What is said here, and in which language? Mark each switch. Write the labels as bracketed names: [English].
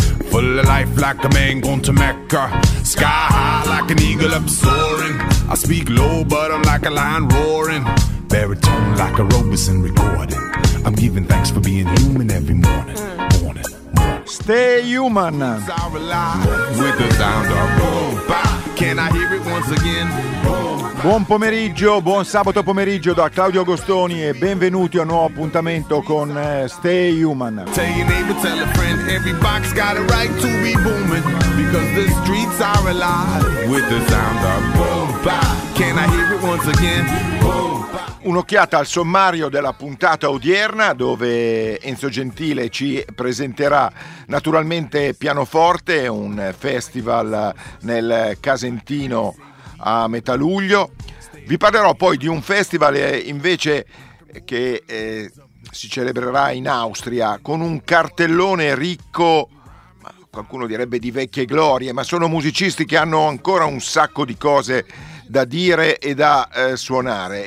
[English] Full of life like a man going to Mecca. Sky high like an eagle up soaring. I speak low but I'm like a lion roaring. Baritone like a Robeson recording. I'm giving thanks for being human every morning. Morning, morning. Stay human. With the sound of boom, bah. Can I hear it once again? [Italian] Buon pomeriggio, buon sabato pomeriggio da Claudio Agostoni e benvenuti a un nuovo appuntamento con Stay Human. [English] Tell your neighbor, tell a friend, every box got a right to be booming, because the streets are alive with the sound of boom bop. Can I hear it once again? Boom. [Italian] Un'occhiata al sommario della puntata odierna, dove Enzo Gentile ci presenterà naturalmente Pianoforte, un festival nel Casentino a metà luglio. Vi parlerò poi di un festival invece che si celebrerà in Austria, con un cartellone ricco, qualcuno direbbe di vecchie glorie, ma sono musicisti che hanno ancora un sacco di cose da dire e da suonare.